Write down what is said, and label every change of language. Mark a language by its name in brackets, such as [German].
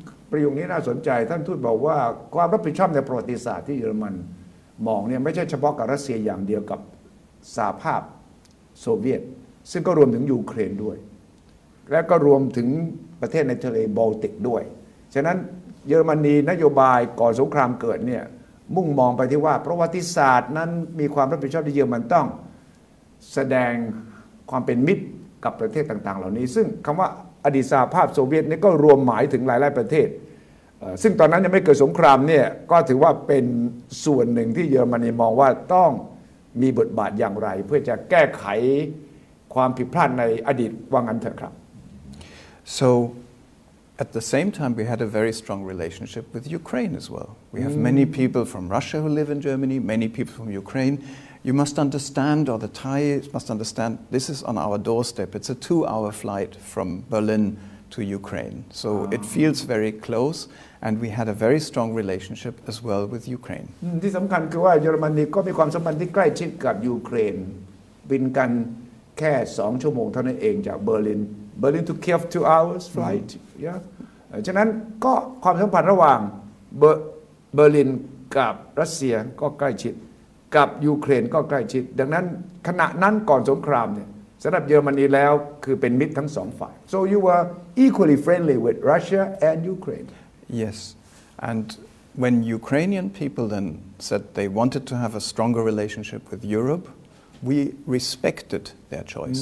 [Thai] ประโยคนี้น่าสนใจท่านทูตบอกว่าความรับผิดชอบในประวัติศาสตร์ที่เยอรมันมองเนี่ยไม่ใช่เฉพาะกับรัสเซียอย่างเดียวกับสหภาพโซเวียตซึ่งก็รวมถึงยูเครนด้วยและก็รวมถึงประเทศในทะเลบอลติกด้วยฉะนั้นเยอรมนีนโยบายก่อนสงครามเกิดเนี่ยมุ่งมองไปที่ว่าประวัติศาสตร์นั้นมีความรับผิดชอบที่เยอรมันต้อง แสดงความเป็นมิตรกับประเทศต่างๆเหล่านี้ซึ่งคำว่าอดีตสหภาพโซเวียตนี่ก็รวมหมายถึงหลายๆประเทศซึ่งตอนนั้นยังไม่เกิดสงครามเนี่ยก็ถือว่าเป็นส่วนหนึ่งที่เยอรมนีมองว่าต้องมีบทบาทอย่างไรเพื่อจะแก้ไขความผิดพลาดในอดีตว่างั้นเถอะครับ [English] soAt the same time, we had a very strong relationship with Ukraine as well. We have many people from Russia who live in Germany, many people from Ukraine. You must understand, or the Thais must understand, this is on our doorstep. It's a two-hour flight from Berlin to Ukraine. So it feels very close, and we had a very strong relationship as well with Ukraine. The important thing is that Germany has a close relationship with Ukraine. We can fly just 2 hours from Berlin. Berlin to Kiev 2 hours flight [Thai] ฉะนั้นก็ความสัมพันธ์ระหว่างเบอร์ลินกับรัสเซียก็ใกล้ชิดกับยูเครนก็ใกล้ชิดดังนั้นขณะนั้นก่อนสงครามเนี่ยสำหรับเยอรมนีแล้วคือเป็นมิตรทั้งสองฝ่าย [English] so you were equally friendly with Russia and Ukraine yes and when Ukrainian people then said they wanted to have a stronger relationship with Europe we respected their choice